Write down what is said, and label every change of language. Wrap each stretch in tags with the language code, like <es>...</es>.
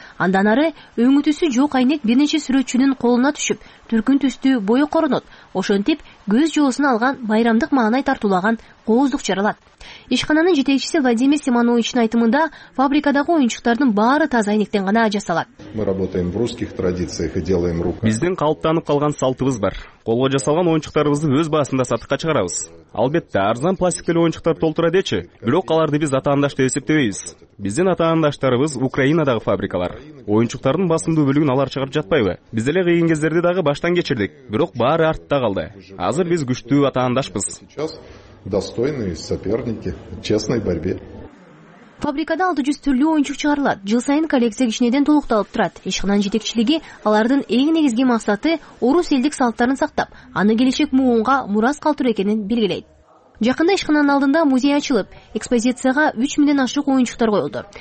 <ky>Андан ары өңүтүүсү жок айнек бир нече сүрөтчүнүн колуна түшүп, түркүн түстүү бою коронот. Ошентип, көз жоосун алган байрамдык маанай тартуулаган кооздук жаралат. Ишкананын жетекчиси Владимир Симоновичтин айтымында фабрикадагы оюнчуктардын баары таза айнектен гана жасалат.</ky> <ru>Мы работаем в русских традициях и делаем руками.</ru> <ky>Биздин калыптанып калган салтыбыз бар. Колго жасалган оюнчуктарыбызды өз баасында сатыкка чыгарабыз. Албетте, арзан пластиктелүү оюнчуктар толтура дечи, бирок аларды биз атаандаш деп эсептебейбиз. Биздин атаандаштарыбыз Украинадагы фабрикалар. Оюнчуктардын басымдуу бөлүгүн алар чыгарып жатпайбы? Биз эле кыйын кездерди дагы баштан кечирдик, бирок баары артта калды. Азыр биз күчтүү атаандашбыз.</ky> <ru>Достойные соперники честной борьбе.</ru> <ky>Фабрикада 600 түрлүү оюнчук чыгарылат. Жыл сайын коллекция кичинеден толукталып турат. Ишкананын жетекчилиги алардын эң негизги максаты орус элдик салттарын сактап, аны келечек муунга мурас калтыруу экенин белгилейт. Жакында ишкананын алдында музей ачылып, экспозицияга 3000 ашык оюнчуктар коюлду.</ky>